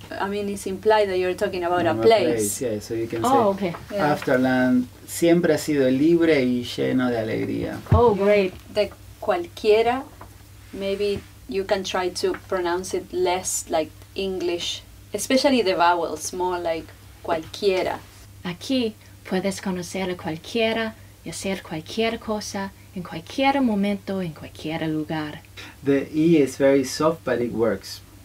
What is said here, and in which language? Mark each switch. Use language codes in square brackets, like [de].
[en] I mean, it's implied that you're talking about a place. Yeah, so you can say, okay. Yeah. [es] Afterland siempre ha sido libre y lleno de alegría. [en] Oh, great. [es] De cualquiera, [en] maybe you can try to pronounce it less like English, especially the vowels, more like cualquiera. [es] Aquí puedes conocer a cualquiera y hacer cualquier cosa en cualquier momento, en cualquier lugar. [en] The E is very soft, but it works.